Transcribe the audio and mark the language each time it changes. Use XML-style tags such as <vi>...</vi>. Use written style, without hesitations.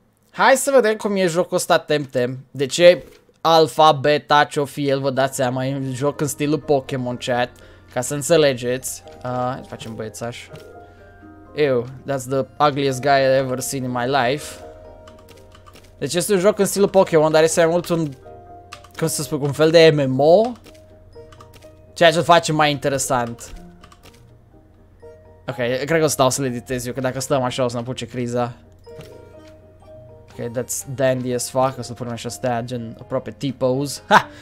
<ro>Hai să vedem cum e jocul ăsta Temtem. De ce alfa, beta, ce o fi el, vă dați seama, e un joc în stilul Pokémon chat. Ca să înțelegeți. Facem băiețaș.</ro> <en>Ew, that's the ugliest guy I've ever seen in my life.</en> <ro>Deci este un joc în stilul Pokémon, dar este mai mult un... cum să spun, un fel de MMO. Ceea ce-l face mai interesant. Ok, cred că o stau să-l editez eu, că dacă stăm așa o să ne apuce criza.</ro> <en>Ok, that's dandy as fuck,</en> <ro>o să-l punem așa, stea gen aproape T-pose. Ha!</ro>